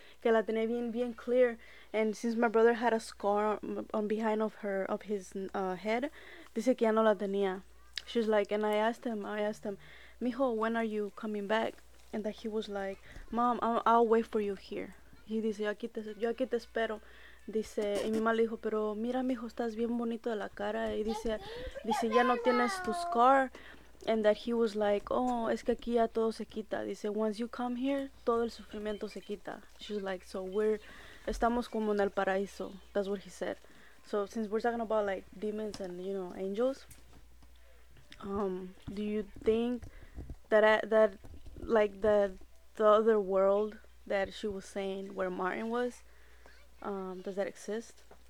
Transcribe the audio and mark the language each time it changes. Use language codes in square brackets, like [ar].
[es] Que la tenía bien, bien [en] clear. And since my brother had a scar on behind of her, of his head, [es] dice que ya no la tenía. [en] She's like, and I asked him, mijo, when are you coming back? And that he was like, mom, I'll wait for you here. [es] He dice, yo aquí te espero. Dice, y mi mamá le dijo, pero mira, mijo, estás bien bonito de la cara. Y dice, ya no tienes tu scar. [en] And that he was like, oh, [es] es que aquí ya todo se quita. Dice, [en] once you come here, [es] todo el sufrimiento se quita. [en] She's like, so [es] estamos como en el paraíso. [en] That's what he said. So since we're talking about like demons and, you know, angels, do you think that the other world that she was saying where Martin was, does that exist?